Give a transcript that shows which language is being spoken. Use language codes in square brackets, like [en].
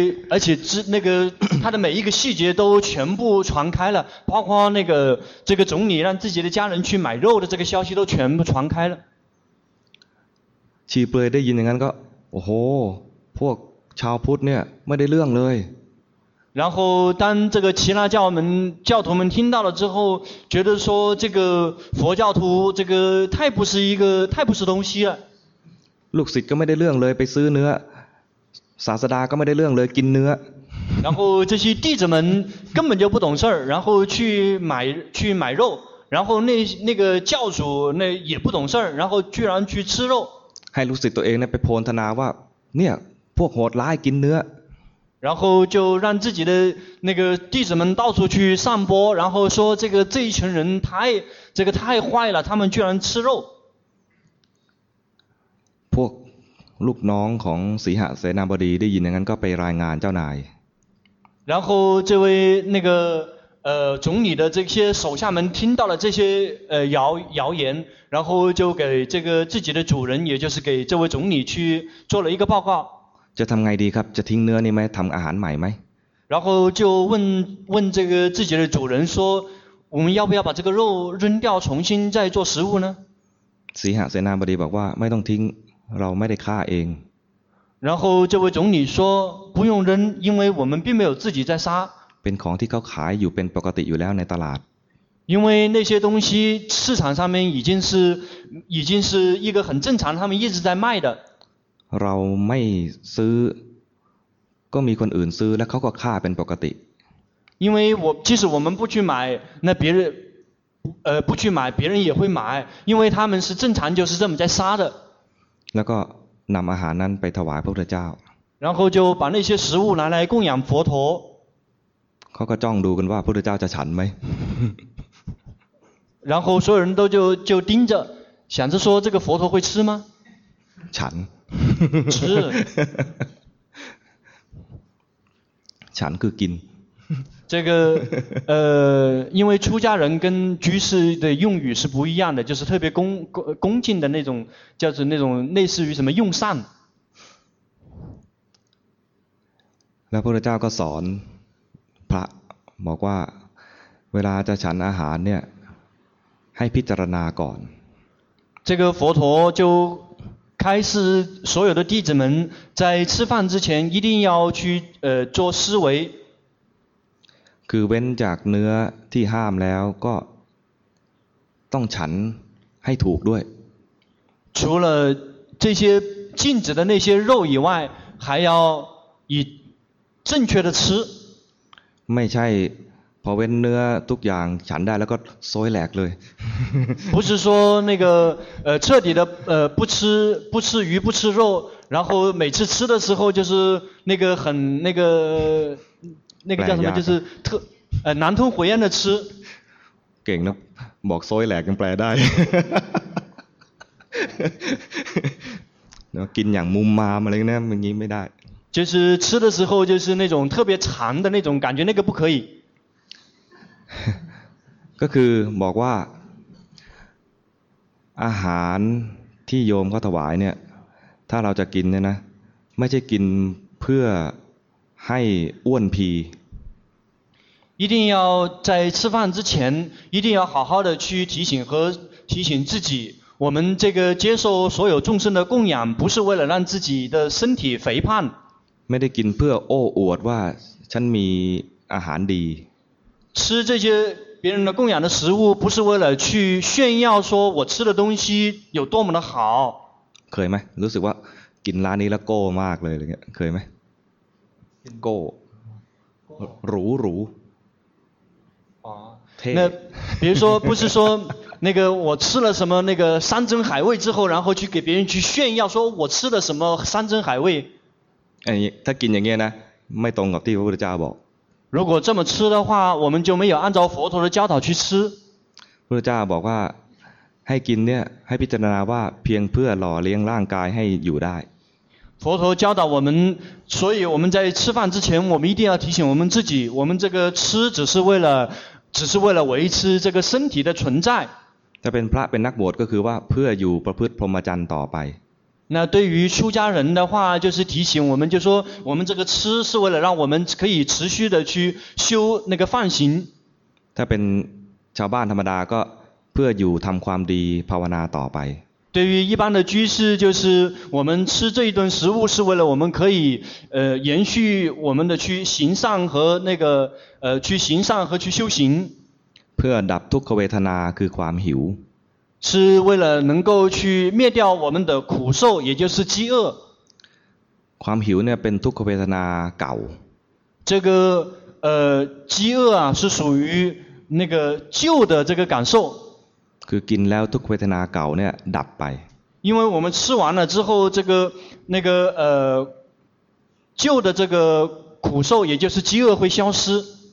[zh] 而且那个他的每一个细节都全部传开了包括那个这个总理让自己的家人去买肉的这个消息都全部传开了 [th] ชีเปลือยได้ยินอย่างนั้นก็โอ้โหพวกชาวพุทธเนี่ยไม่ได้เรื่องเลย [zh] 然后当这个耆那教们教徒们听到了之后觉得说这个佛教徒这个太不是东西了 [th] ลูกศิษย์ก็ไม่ได้เรื่องเลยไปซื้อเนื้อศาสดาก็ไม่ได้เรื่องเลยกินเนื้อ [zh] 然后这些弟子们根本就不懂事儿，然后去买肉，然后那个教主那也不懂事儿，然后居然去吃肉。 [th] ให้รู้สึกตัวเองเนี่ยไปโพนธนาว่าเนี่ยพวกโหดร้ายกินเนื้อ [zh] 然后就让自己的那个弟子们到处去散播，然后说这一群人太坏了，他们居然吃肉。 [th] พวกลูกน้องของสีหาเสนาบดีได้ยินอย่างนั้นก็ไปรายงานเจ้านาย [zh] 然后这位那个总理的这些手下们听到了这些谣言，然后就给这个自己的主人，也就是给这位总理去做了一个报告。 [th] จะทำไงดีครับจะทิ้งเนื้อนี่ไหมทำอาหารใหม่ไหม [zh] 然后就问这个自己的主人说，我们要不要把这个肉扔掉，重新再做食物呢？ [th] สีหาเสนาบดีบอกว่าไม่ต้องทิ้งเราไม่ได้ฆ่าเอง [zh] 然后这位总理说不用扔，因为我们并没有自己在杀。 [th] เป็นของที่เขาขายอยู่เป็นปกติอยู่แล้วในตลาด [zh] 因为那些东西市场上面已经是一个很正常他们一直在卖的 [th] เราไม่ซื้อก็มีคนอื่นซื้อและเขาก็ฆ่าเป็นปกติ [zh] 因为我即使我们不去买那别人不去买别人也会买因为他们是正常就是这么在杀的 [th] แล้วก็นำอาหารนั้นไปถวายพระพุทธเจ้า [zh] 然后就把那些食物拿来供养佛陀 [th] เขาก็จ้องดูกันว่าพุทธเจ้าจะฉันไ หม [zh] 然后所有人都就盯着想着说这个佛陀会吃吗 [th] ฉัน ฉัน ฉันคือกิน [zh] 这个因为出家人跟居士的用语是不一样的就是特别恭敬的那种叫做那种类似于什么用膳 [th] แล้วพุทธเจ้าก็สอนพระบอกว่าเวลาจะฉันอาหารเนี่ยให้พิจารณาก่อน [zh] 这个佛陀就开示所有的弟子们在吃饭之前一定要去做思维 [th] คือเว้นจากเนื้อที่ห้ามแล้วก็ต้องฉันให้ถูกด้วย [zh] 除了这些禁止的那些肉以外还要以正确的吃 [th] ไม่ใช่พอเว้นเนื้อทุกอย่างฉันได้แล้วก็โซยแหลกเลย [zh] 不是说那个彻底的不吃鱼不吃肉然后每次吃的时候就是那个很那个叫什么就是特难吞火焰的吃 [th] เก่งนะบอกโซยแหลกยังแปลได้กินอย่างมุมมามอะไรเนี่ยมันงี้ไม่ได้ [zh] 就是吃的时候就是那种特别馋的那种感觉那个不可以 [th] ก็คือบอกว่าอาหารที่โยมเขาถวายเนี่ยถ้าเราจะกินเนี่ยนะไม่ใช่กินเพื่อให้อ้วนพี [zh] 一定要在吃饭之前一定要好好的去提醒自己我们这个接受所有众生的供养不是为了让自己的身体肥胖 [th] ไม่ได้กินเพื่อโอ้อวดว่าฉันมีอาหารดี [zh] 吃这些别人的供养的食物不是为了去炫耀说我吃的东西有多么的好 [th] เคยไหมรู้สึกว่ากินร้านนี้แล้วโก้มากเลยเคยไหมโก้หรู [zh] 那比如说不是说那个我吃了什么那个山珍海味之后然后去给别人去炫耀说我吃了什么山珍海味 [th] ถ้ากินอย่างนี้นะไม่ตรงกับที่พระพุทธเจ้าบอก [zh] 如果这么吃的话我们就没有按照佛陀的教导去吃 [th] พุทธเจ้าบอกว่าให้กินเนี่ยให้พิจารณาว่าเพียงเพื่อหล่อเลี้ยงร่างกายให้อยู่ได้ [zh] 佛陀教导我们所以我们在吃饭之前我们一定要提醒我们自己我们这个吃只是为了维持这个身体的存在 [th] ถ้าเป็นพระเป็นนักบวชก็คือว่าเพื่ออยู่ประพฤติพรหมจรรย์ต่อไป [zh] 那对于出家人的话就是提醒我们就说我们这个吃是为了让我们可以持续的去修那个梵行 [th] ถ้าเป็นชาวบ้านธรรมดาก็เพื่ออยู่ทำความดีภาวนาต่อไป [zh] 对于一般的居士就是我们吃这一顿食物是为了我们可以延续我们的去行善和那个去行善和去修行 [th] เพื่อดับทุกขเวทนาคือความหิว [zh] 是为了能够去灭掉我们的苦受也就是饥饿 [th] ความหิวเนี่ยเป็นทุกขเวทนาเก่า [zh] 这个饥饿啊是属于那个旧的这个感受。 [th] คือกินแล้วทุกเวทนาเก่าเนี่ยดับไป。 [zh] 因为我们吃完了之后，这个那个旧的这个苦受，也就是饥饿会消失。